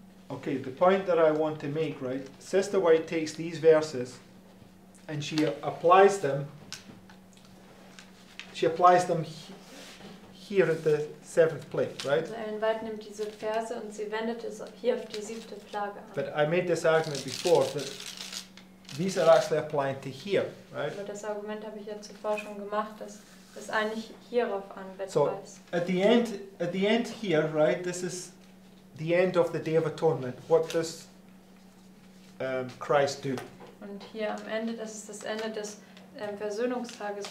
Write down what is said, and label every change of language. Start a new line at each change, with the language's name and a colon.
English: Okay, the point that I want to make, right? Sister White takes these verses and she applies them. She applies them here at the seventh plague, right?
German: Ellen White nimmt diese Verse und sie wendet es hier auf die siebte Plage an.
English: But I made this argument before that these are actually applying to here, right?
German: Aber das Argument habe ich ja zuvor schon gemacht, dass es eigentlich hierauf anwendbar ist.
English: So at the end here, right? This is the end of the Day of Atonement. What does Christ do?
German: Und hier am Ende, das ist das Ende des Versöhnungstages.